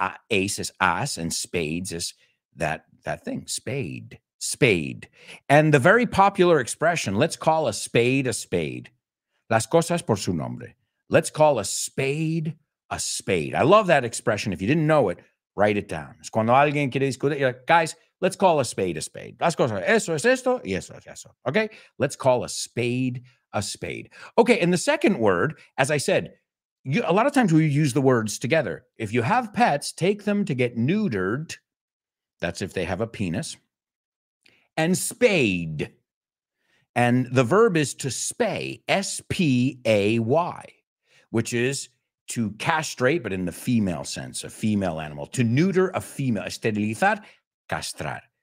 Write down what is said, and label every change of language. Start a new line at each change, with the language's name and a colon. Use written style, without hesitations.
English: Ace is ass and spades is that thing. Spade. Spade. And the very popular expression, let's call a spade a spade.
Spanish: Las cosas por su nombre.
English: Let's call a spade a spade. I love that expression. If you didn't know it, write it down.
Spanish: Es cuando alguien quiere discutir,
English: you're like, guys, let's call a spade a spade.
Spanish: Las cosas, eso es esto y eso es eso.
English: Okay, let's call a spade a spade. Okay, and the second word, as I said, a lot of times we use the words together. If you have pets, take them to get neutered. That's if they have a penis. And spade. And the verb is to spay, S-P-A-Y, which is to castrate, but in the female sense, a female animal, to neuter a female,
Spanish: esterilizar, castrar.